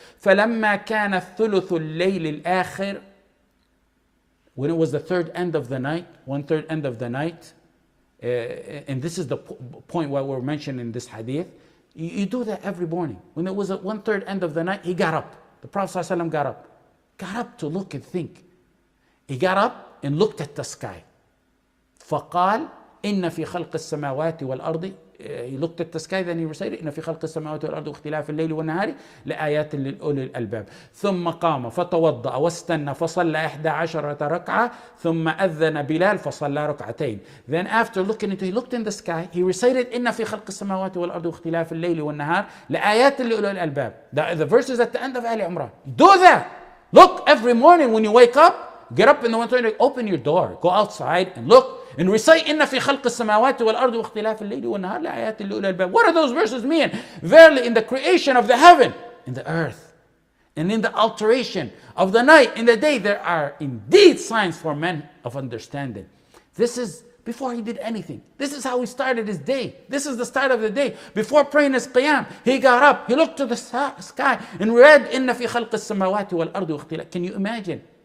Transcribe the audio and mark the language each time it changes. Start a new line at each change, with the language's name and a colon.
Arabic: فَلَمَّا كَانَ ثُلُثُ اللَّيْلِ الْآخِرِ
English: When it was the third end of the night, one-third end of the night, and this is the point why we're mentioning in this hadith, you do that every morning. When it was at one-third end of the night, he got up. The Prophet sallallahu alaihi wasallam got up to look and think. He got up and looked at the sky. فَقَالْ
Arabic: إِنَّ فِي خَلْقِ السَّمَاوَاتِ وَالْأَرْضِ
English: He looked at the sky, then he recited,
Arabic: إِنَّ فِي خَلْقِ السَّمَاوَاتِ وَالْأَرْضِ وَاخْتِلَافِ اللَّيْلِ وَالنَّهَارِ لَآيَاتٍ لِلْأُولِي الْأَلْبَابِ ثُمَّ قَامَ فَتَوَضَّأَ وَاسْتَنَّ فَصَلَّى 11 رَكْعَةً ثُمَّ أَذَّنَ بِلَالٍ فَصَلَّى رَكْعَتَيْنِ
English: Then after looking into, he looked in the sky, he recited,
Arabic: إِنَّ فِي خَلْقِ السَّمَاوَاتِ وَالْأَرْضِ وَاخْتِلَافِ اللَّيْلِ وَالنَّهَارِ لَآيَاتٍ لِلْأُولِي الْأَلْبَابِ
English: the verses at the end of Ali Imran. Do that. Look every morning when you wake up, get up in the morning, open your door, go outside and look. And recite,
Arabic: إِنَّ فِي خَلْقِ السَّمَاوَاتِ وَالْأَرْضِ وَاخْتِلَافِ اللَّيْلِ وَالنَّهَارِ لَآيَاتٍ لِأُولِي الْأَلْبَابِ
English: What do those verses mean? Verily, in the creation of the heaven, in the earth, and in the alteration of the night, in the day, there are indeed signs for men of understanding. This is before he did anything. This is how he started his day. This is the start of the day. Before praying his qiyam, he got up, he looked to the sky, and read,
Arabic: إِنَّ فِي خَلْقِ السَّمَاوَاتِ وَالْأَرْضِ وَاخْتِلَافِ
English: Can you imagine?